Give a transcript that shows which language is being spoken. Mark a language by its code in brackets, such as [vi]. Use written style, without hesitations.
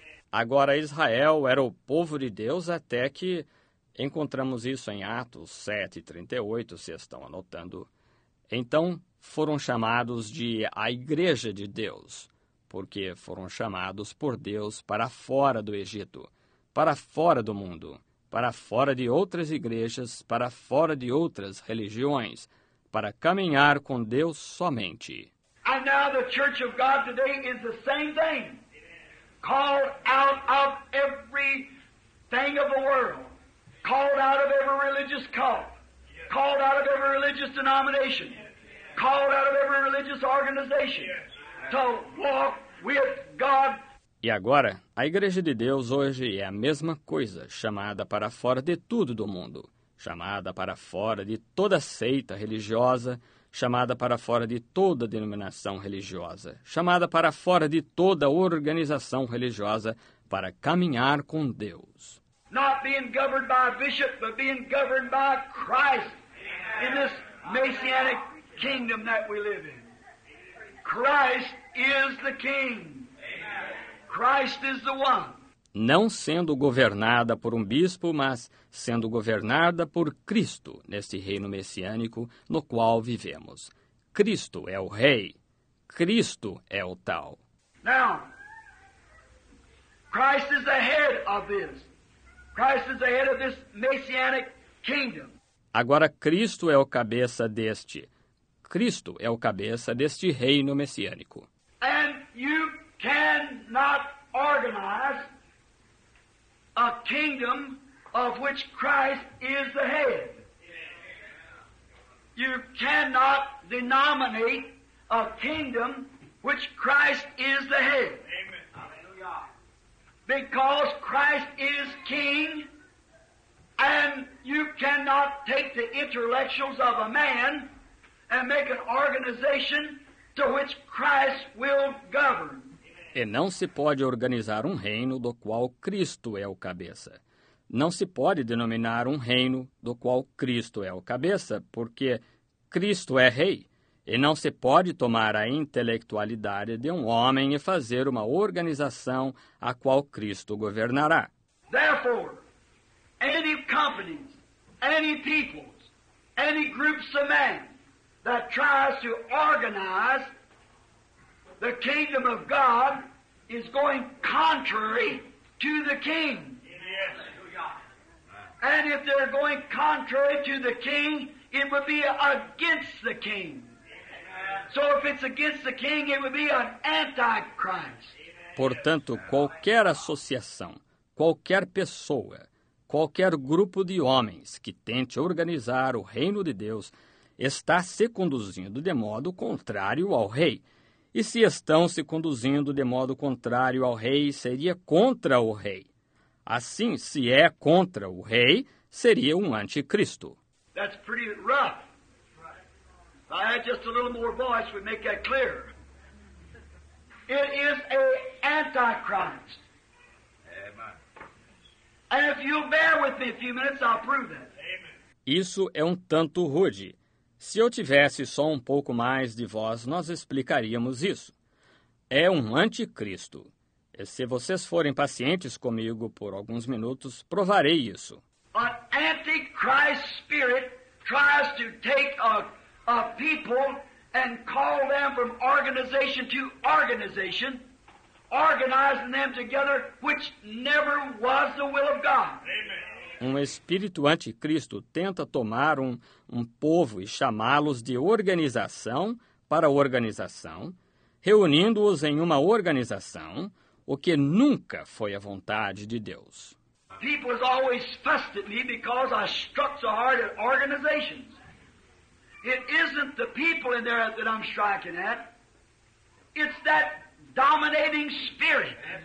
[pt] Agora, Israel era o povo de Deus até que, encontramos isso em Atos 7:38, se estão anotando, então foram chamados de a Igreja de Deus, porque foram chamados por Deus para fora do Egito, para fora do mundo, para fora de outras igrejas, para fora de outras religiões, para caminhar com Deus somente. [en] And now the Church of God today is the same thing. Called out of every thing of the world. Called out of every religious cult. Called out of every religious denomination. Called out of every religious organization. To walk with God. [pt] E agora, a Igreja de Deus hoje é a mesma coisa, chamada para fora de tudo do mundo. Chamada para fora de toda seita religiosa. Chamada para fora de toda denominação religiosa, chamada para fora de toda organização religiosa, para caminhar com Deus. [en] Not being governed by a bishop, but being governed by Christ in this messianic kingdom that we live in. Christ is the King. Christ is the one. [pt] Não sendo governada por um bispo, mas sendo governada por Cristo, neste reino messiânico no qual vivemos. Cristo é o Rei. Cristo é o tal. [en] Now, Christ is the head of this. Christ is the head of this messianic kingdom. [pt] Agora, Cristo é o cabeça deste. Cristo é o cabeça deste reino messiânico. [en] And you cannot organize a kingdom of which Christ is the head. You cannot denominate a kingdom which Christ is the head. Amen. Because Christ is king, and you cannot take the intellectuals of a man and make an organization to which Christ will govern. [pt] E não se pode organizar reino do qual Cristo é o cabeça. Não se pode denominar reino do qual Cristo é o cabeça, porque Cristo é rei. E não se pode tomar a intelectualidade de homem e fazer uma organização a qual Cristo governará. [en] Therefore, any companies, any peoples, any groups of men that tries to organize the kingdom of God is going contrary to the king. And if they're going contrary to the king, it would be against the king. So if it's against the king, it would be an antichrist. [pt] Portanto, qualquer associação, qualquer pessoa, qualquer grupo de homens que tente organizar o reino de Deus está se conduzindo de modo contrário ao rei. E se estão se conduzindo de modo contrário ao rei, seria contra o rei. Assim, se é contra o rei, seria anticristo. [en] That's pretty rough. If I had just a little more voice, we'd make that clear. It is a antichrist. Amen. And if you'll bear with me a few minutes, I'll prove that. [pt] Isso é tanto rude. Se eu tivesse só pouco mais de voz, nós explicaríamos isso. É anticristo. E se vocês forem pacientes comigo por alguns minutos, provarei isso. [en] An antichrist spirit tries to take a people and call them from organization to organization, organizing them together, which never was the will of God. [pt] Espírito anticristo tenta tomar povo e chamá-los de organização para organização, reunindo-os em organização, o que nunca foi a vontade de Deus. [en] People have always fussed at me because I struck so hard at organizations. It isn't the people in there that I'm striking at. It's that dominating spirit.